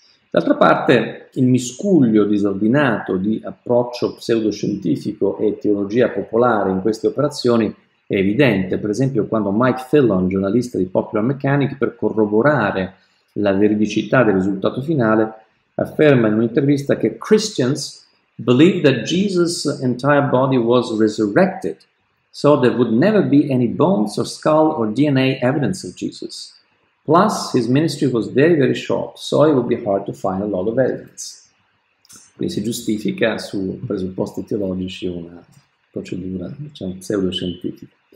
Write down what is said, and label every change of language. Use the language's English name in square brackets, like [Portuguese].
[Italian] D'altra parte, il miscuglio disordinato di approccio pseudoscientifico e teologia popolare in queste operazioni è evidente, per esempio quando Mike Fallon, giornalista di Popular Mechanics, per corroborare la veridicità del risultato finale, afferma in un'intervista che [English] Christians believe that Jesus' entire body was resurrected, so there would never be any bones or skull or DNA evidence of Jesus. Plus, his ministry was very, very short, so it would be hard to find a lot of evidence. [Italian] Quindi si giustifica su presupposti teologici una procedura, diciamo, pseudoscientifica.